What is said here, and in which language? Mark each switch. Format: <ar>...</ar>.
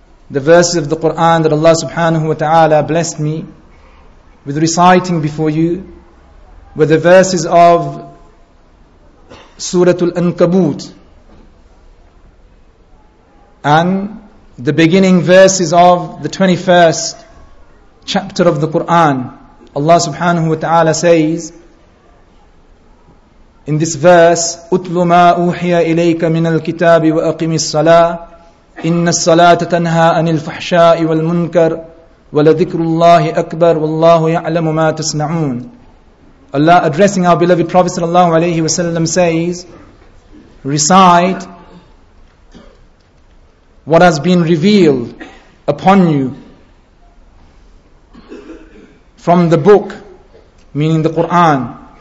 <en>The verses of the Quran that Allah subhanahu wa ta'ala blessed me with reciting before you were the verses of Surah Al-Ankabut and the beginning verses of the 21st chapter of the Quran. Allah subhanahu wa ta'ala says in this verse,</en> <ar>أُتْلُ مَا أُوحِيَ إِلَيْكَ مِنَ الْكِتَابِ وَأَقِمِ الصَّلَاةِ إِنَّ الصَّلَاةَ تَنْهَى أَنِ الْفَحْشَاءِ وَالْمُنْكَرِ وَلَذِكْرُ اللَّهِ أَكْبَرُ وَاللَّهُ يَعْلَمُ مَا تَصْنَعُونَ.</ar> <en>Allah addressing our beloved Prophet sallallahu alayhi wa sallam says, recite what has been revealed upon you from the book, meaning the Quran.</en>